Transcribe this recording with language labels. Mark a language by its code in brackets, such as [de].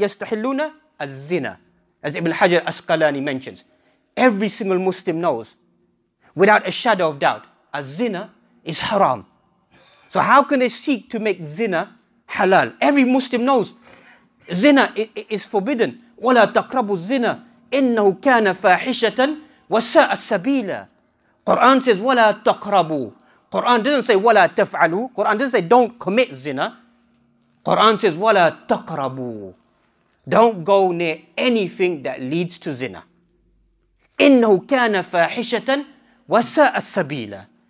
[ar] يستحلون الزنا. [en] As Ibn Hajar Asqalani mentions. Every single Muslim knows, without a shadow of doubt, الزنا is haram. So how can they seek to make zina halal? Every Muslim knows zina is forbidden. [ar] ولا تقربوا الزنا إنه كان فاحشة وساء السبيل. [en] Quran says [ar] ولا تقربوا. [en] Quran doesn't say [ar] ولا تفعلوا. [en] Quran doesn't say don't commit zina. Quran says [ar] ولا تقربوا. [en] Don't go near anything that leads to zina. [ar] إنه كان فاحشة وساء السبيل.